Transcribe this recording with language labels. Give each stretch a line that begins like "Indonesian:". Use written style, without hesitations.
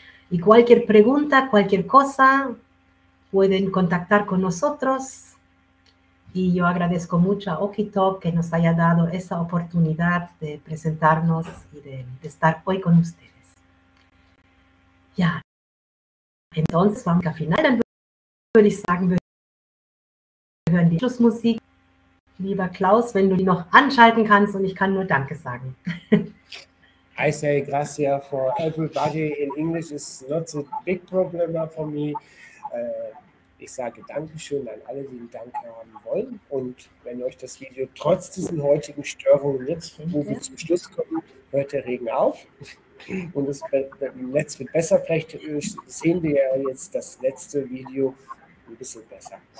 Spanish: Y cualquier pregunta, cualquier cosa, pueden contactar con nosotros. Y yo agradezco mucho a OkiTalk que nos haya dado esa oportunidad de presentarnos y de estar hoy con ustedes. Ya. Entonces, vamos a final.
German: Würde ich sagen, wir hören die Schlussmusik. Lieber Klaus, wenn du die noch anschalten kannst, und ich kann nur Danke sagen.
English: I say gracias for everybody in English. It's not a big problem for me.
German: Ich sage Dankeschön an alle, die einen Dank haben wollen. Und wenn euch das Video trotz diesen heutigen Störungen jetzt, wo wir zum Schluss kommen, hört der Regen auf. Und das Netz wird besser. Vielleicht sehen wir ja jetzt das letzte Video ein bisschen besser.